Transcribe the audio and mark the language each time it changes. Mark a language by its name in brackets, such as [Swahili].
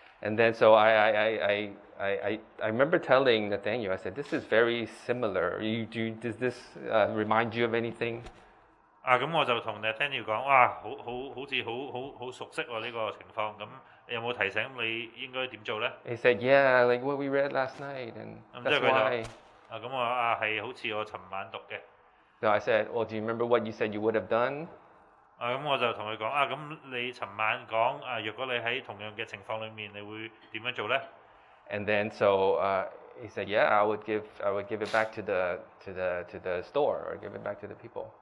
[English] ？And then, so I remember telling Nathaniel, I said, "This is very similar. Does this remind you of anything?" [Cantonese] 咁我就同 Nathaniel 講，哇，好似好熟悉喎呢個情況。咁有冇提醒你應該點做咧 [English] ？He said, "Yeah, like what we read last night, and that's why." [Cantonese] 咁我係好似我尋晚讀嘅。 [English] So I said, "Well, do you remember what you said you would have done?" [Cantonese] 咁我就同佢講，咁你尋晚講若果你喺同樣嘅情況裡面，你會點樣做咧 [English] ？And then so he said, "Yeah, I would give it back to the store or give it back to the people."